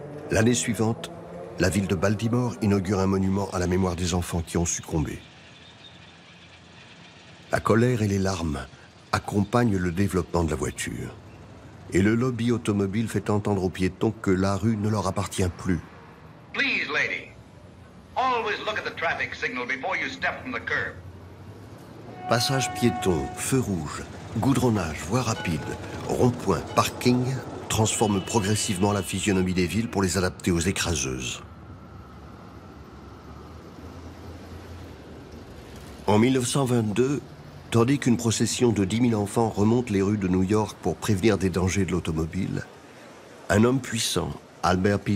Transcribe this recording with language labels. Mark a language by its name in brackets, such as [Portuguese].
[French] L'année suivante, la ville de Baltimore inaugure un monument à la mémoire des enfants qui ont succombé. La colère et les larmes accompagnent le développement de la voiture. Et le lobby automobile fait entendre aux piétons que la rue ne leur appartient plus. [English] Please, lady. Always look at the traffic signal before you step from the curb. [French] Passage piéton, feu rouge, goudronnage, voie rapide, rond-point, parking transforment progressivement la physionomie des villes pour les adapter aux écraseuses. En 1922, tandis qu'une procession de 10 000 enfants remonte les rues de New York pour prévenir des dangers de l'automobile, un homme puissant, Albert P.